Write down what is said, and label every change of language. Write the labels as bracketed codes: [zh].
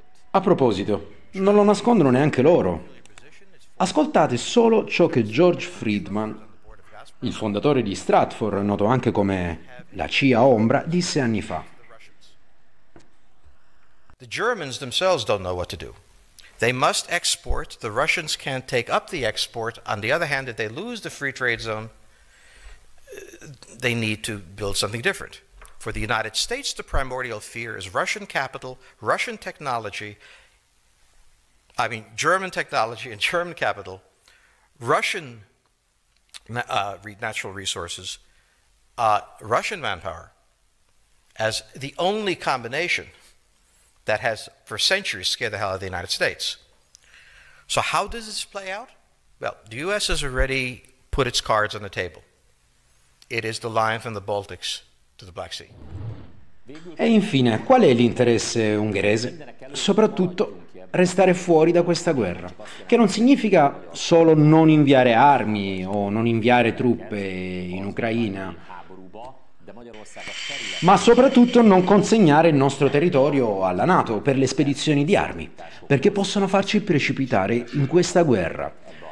[it] A proposito, non lo nascondono neanche loro. Ascoltate solo ciò che George Friedman, il fondatore di Stratfor, noto anche come la CIA ombra, disse anni fa. [en] The Germans themselves don't know what to do. They must export, the Russians can't take up the export. On the other hand, if they lose the free trade zone, they need to build something different. For the United States, the primordial fear is Russian capital, Russian technology. I mean, German technology and German capital, Russian natural resources, Russian manpower, as the only combination that has for centuries scared the hell out of the United States. So how does this play out? Well, the U.S. has already put its cards on the table. It is the line from the Baltics to the Black Sea. [it] E infine, qual è l'interesse ungherese? Soprattutto restare fuori da questa guerra, che non significa solo non inviare armi o non inviare truppe in Ucraina, ma soprattutto non consegnare il nostro territorio alla NATO per le spedizioni di armi, perché possono farci precipitare in questa guerra.